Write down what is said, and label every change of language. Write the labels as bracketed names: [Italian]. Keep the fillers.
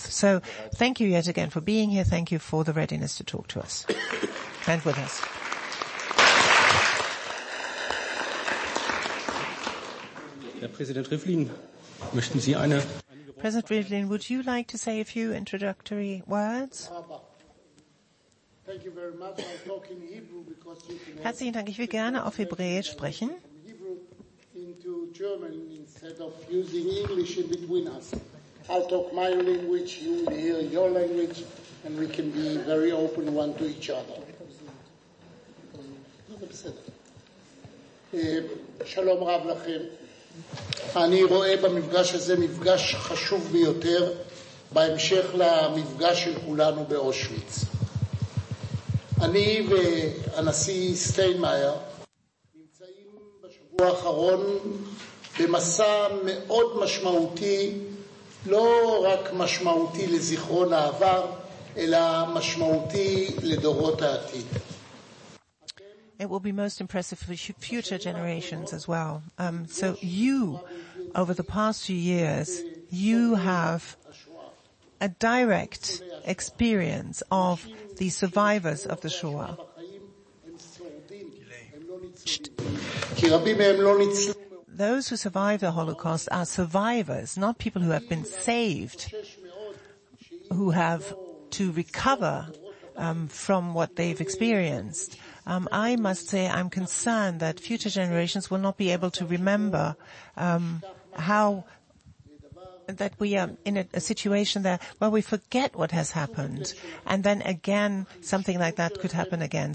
[English] So thank you yet again for being here. Thank you for the readiness to talk to us and with us. [German] Herr Präsident Rivlin, möchten Sie eine? [English] President Rivlin, would you like to say a few introductory words? Thank you very much. I talk in Hebrew because you can [German] Herzlichen Dank. Ich will gerne auf Hebräisch sprechen. [English] from Hebrew into German instead of using English in between us. I'll talk my language, you will hear your language, and we can be very open one to each other. [Hebrew] זה בסדר. אה, שלום רב לכם. אני רואה במפגש הזה מפגש חשוב ביותר בהמשך למפגש של כולנו באושוויץ. אני והנשיא סטיינמאייר נמצאים בשבוע האחרון במסע מאוד משמעותי, לא רק משמעותי לזיכרון העבר, אלא משמעותי לדורות העתיד. [English] It will be most impressive for fu- future generations as well. Um, so you, over the past few years, you have a direct experience of the survivors of the Shoah. [Hebrew] בחיים הם שורדים, הם לא ניצולים. כי רבים מהם לא ניצלו [English] Those who survived the Holocaust are survivors, not people who have been saved, who have to recover um, from what they've experienced. Um, I must say I'm concerned that future generations will not be able to remember um, how that we are in a, a situation there where we forget what has happened, and then again something like that could happen again.